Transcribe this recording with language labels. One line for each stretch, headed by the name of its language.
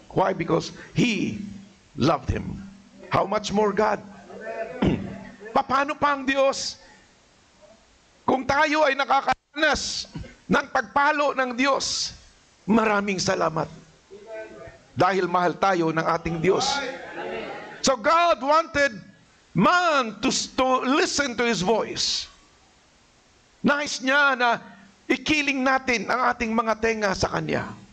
English: Why? Because he loved him. How much more God?
Filipino: Paano pa ang Diyos? Kung tayo ay nakakaranas ng pagpalo ng Diyos, maraming salamat. Dahil mahal tayo ng ating Diyos.
English: So God wanted man to listen to His voice.
Filipino: Nais niya na ikiling natin ang ating mga tenga sa Kanya.